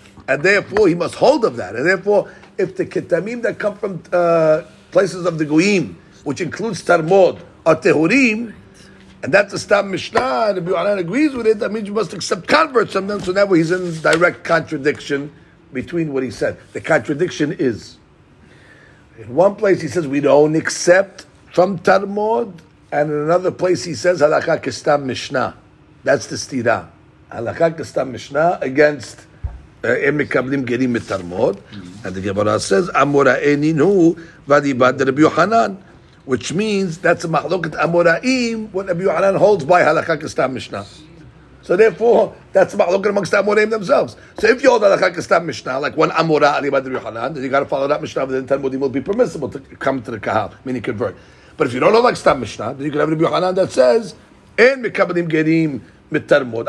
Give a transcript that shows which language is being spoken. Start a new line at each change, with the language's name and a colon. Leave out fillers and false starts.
English: And therefore, he must hold of that. And therefore, if the ketamim that come from places of the Goyim, which includes Talmud, or Tehorim, and that's the Stam Mishnah, and Rabbi Yochanan agrees with it, that means you must accept converts from them, so that way he's in direct contradiction between what he said. The contradiction is, in one place he says, we don't accept from Talmud, and in another place he says, Halakha Kestam Mishnah. That's the Stira. Halakha Kestam Mishnah against
Hebrew: הם מקבלים גרים מתרמות,
English: and the Gemara says,
Aramaic: אמוראינין הוא ודיבד לרבי יוחנן,
English: which means that's a מחלוקת אמוראים, what רבי יוחנן holds by הלכה כסתם משנה. So therefore, that's מחלוקת amongst the אמוראים themselves. So if you hold הלכה כסתם משנה, like one אמורא עליבד לרבי יוחנן, then you got to follow that משנה, then תלמודים will be permissible to come to the קהל, meaning convert. But if you don't know like סתם משנה, then you can have רבי יוחנן that says,
Hebrew: אין מקבלים גרים מתרמות.